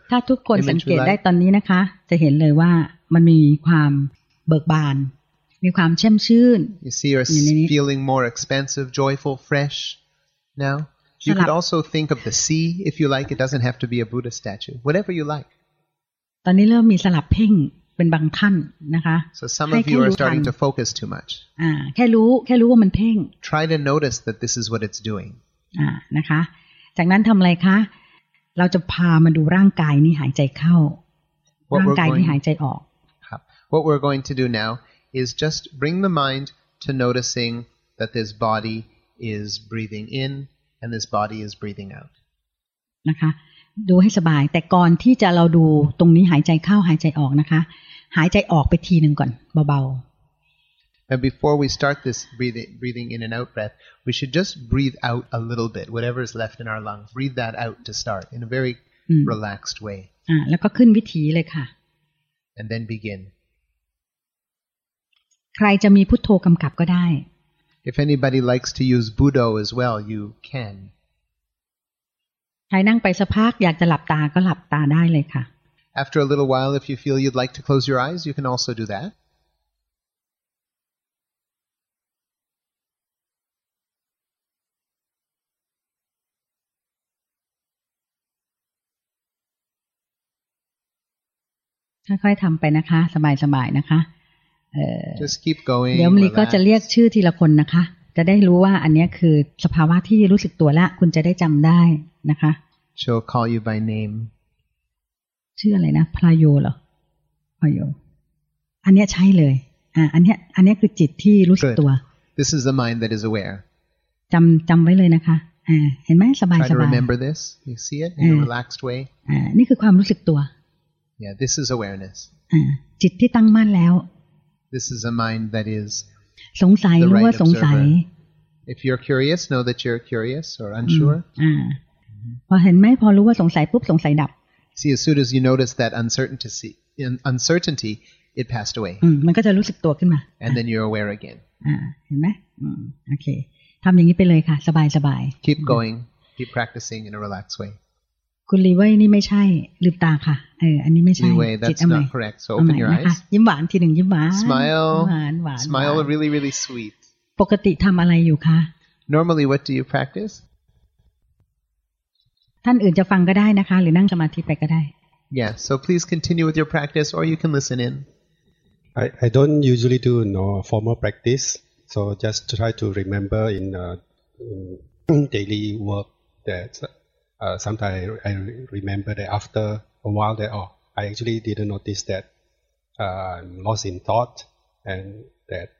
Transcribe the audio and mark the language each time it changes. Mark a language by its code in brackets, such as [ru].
[th] ถ้าทุกคนสังเกตได้ตอนนี้นะคะจะเห็นเลยว่ามันมีความเบิกบานมีความแช่มชื่น [en] You see you're feeling more expansive, joyful, fresh now. You could also think of the sea if you like. It doesn't have to be a Buddha statue. Whatever you like. [th] ตอนนี้เริ่มมีสลับเพ่งเป็นบางท่านนะคะ [en] So some of you are starting to focus too much. [th] แค่รู้ว่ามันเพ่ง [en] Try to notice that this is what it's doing. [th] นะคะจากนั้นทำอะไรคะเราจะพามาดูร่างกายนี้หายใจเข้าร่างกายนี้หายใจออก ครับ [en] What we're going to do nowis just bring the mind to noticing that this body is breathing in and this body is breathing out [th] นะคะดูให้สบายแต่ก่อนที่จะเราดูตรงนี้หายใจเข้าหายใจออกนะคะหายใจออกไปทีนึงก่อนเบา [en] ๆ And before we start this breathing in and out breath we should just breathe out a little bit whatever is left in our lungs breathe that out to start in a very relaxed way [th] แล้วก็ขึ้นวิธีเลยค่ะ [en] And then begin [th] ใครจะมีพุทโธกำกับก็ได้ [en] If anybody likes to use Budo as well, you can. [th] ใครนั่งไปสักพักอยากจะหลับตาก็หลับตาได้เลยค่ะ [en] After a little while, if you feel you'd like to close your eyes, you can also do that. [th] ค่อยๆทำไปนะคะสบายๆนะคะ [en] Just keep going. [th] เดี๋ยวมลีก็จะเรียกชื่อทีละคนนะคะจะได้รู้ว่าอันนี้คือสภาวะที่รู้สึกตัวละคุณจะได้จำได้นะคะ [en] She'll call you by name. [th] ชื่ออะไรนะพลายโยเหรอพลายโยอันเนี้ยใช่เลยอันเนี้ยคือจิตที่รู้สึกตัว [en] This is the mind that is aware. [th] จำไว้เลยนะคะเห็นไหมสบายๆ [en] Try to remember this. You see it in a relaxed way. [th] นี่คือความรู้สึกตัว [en] Yeah, this is awareness. [th] จิตที่ตั้งมั่นแล้ว [en] This is a mind that is [th] สงสัยรู้ว่าสงสัย [en] If you're curious, know that you're curious or unsure. [th] พอเห็นไหมพอรู้ว่าสงสัยปุ๊บสงสัยดับ [en] See, as soon as you notice that uncertainty, it passed away. [th] มันก็จะรู้สึกตัวขึ้นมา [en] And then you're aware again. [th] เห็นไหมโอเคทำอย่างนี้ไปเลยค่ะสบายสบาย [en] Keep going. Keep practicing in a relaxed way. [th] คุณลีเว่ยนี่ไม่ใช่ลืมตาค่ะอันนี้ไม่ใช่ จิตอเมย์ [en] That's not correct. So open your eyes. [th] ยิ้มหวานทีหนึ่งยิ้มหวาน หวาน [en] Smile really, really sweet. [th] ปกติทำอะไรอยู่คะ [en] Normally what do you practice? [th] ท่านอื่นจะฟังก็ได้นะคะหรือนั่งสมาธิไปก็ได้ [en] Yeah, so please continue with your practice or you can listen in. I don't usually do no formal practice, so just try to remember in daily work that sometimes I remember that after a while that oh I actually didn't notice that I'm lost in thought and that.